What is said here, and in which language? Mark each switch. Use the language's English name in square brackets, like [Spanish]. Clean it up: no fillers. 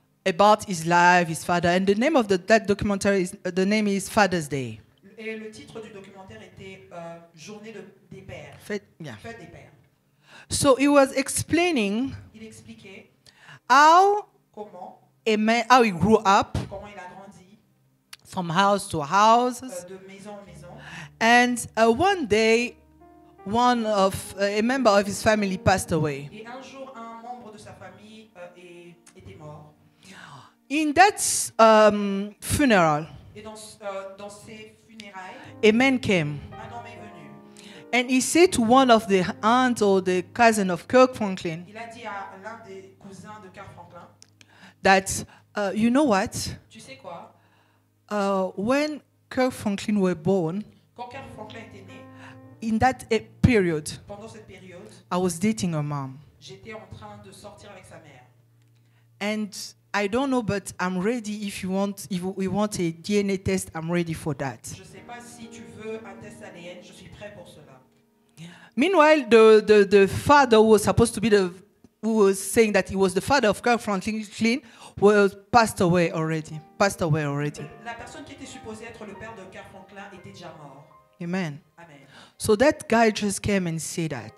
[English] About his life, his father, and the name of that documentary is the name is Father's Day. [French] Et le titre du documentaire était Journée des Pères. Fête des Pères. [English] So he was explaining. [French] Il expliquait [English] how. [French] Comment. [English] How he grew up. [French] Comment il a grandi. [English] From house to house. [French] De maison en maison. [English] And one day, a member of his family passed away. [French] Et un jour, un membre de sa famille était mort. [English] In that funeral, [French] et dans ses funérailles, [English] a man came. [French] Un homme est venu. [English] And he said to one of the aunts or the cousin of Kirk Franklin, [French] il a dit à l'un des cousins de Kirk Franklin [English] that, you know what? [French] Tu sais quoi? [English] When Kirk Franklin was born, [French] quand Kirk Franklin était né, [English] in that period, [French] pendant cette période, [English] I was dating a mom. [French] J'étais en train de sortir avec sa mère. [English] And I don't know, but I'm ready if we want a DNA test, I'm ready for that. [French] Je sais pas si tu veux un test ADN, je suis prêt pour cela. [English] Meanwhile, the father who was supposed to be who was saying that he was the father of Kirk Franklin passed away already. [French] La personne qui était supposée être le père de Kirk Franklin était déjà mort. Amen. Amen. [English] So that guy just came and said that.